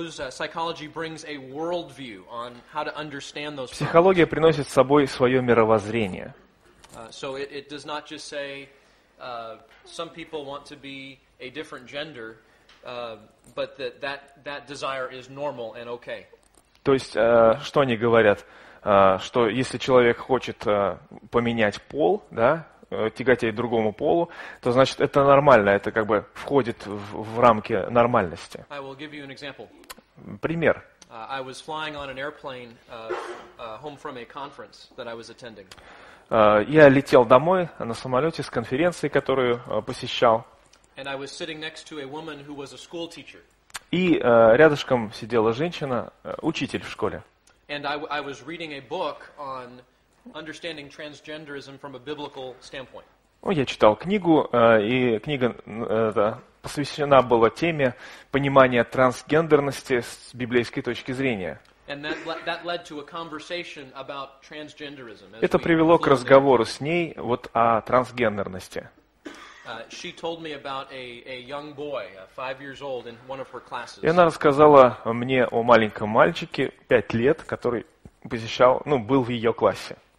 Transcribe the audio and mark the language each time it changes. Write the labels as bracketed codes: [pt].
[en] Psychology brings a world view on how to understand those. [ru] Психология приносит с собой свое мировоззрение. [en] So it does not just say some people want to be a different gender, but that desire is normal and okay. [ru] То есть что они говорят? Что если человек хочет поменять пол, да, тяготеть к другому полу, то значит это нормально, это как бы входит в рамки нормальности. [en] I will give you an example. [ru] Пример. [en] I was flying on an airplane home from a conference that I was attending. [ru] Я летел домой на самолете с конференции, которую посещал. [en] And I was sitting next to a woman who was a school teacher. [ru] И рядышком сидела женщина, учитель в школе. [en] And I was reading a book on understanding transgenderism from a biblical standpoint. [ru] Ну, я читал книгу, и книга посвящена была теме понимания трансгендерности с библейской точки зрения. [en] And that led to a conversation about transgenderism. [ru] Это привело к разговору с ней вот о трансгендерности. [en] She told me about a young boy, 5 years old, in one of her classes. [ru] И она рассказала мне о маленьком мальчике, 5 лет, который посещал, ну, был в ее классе.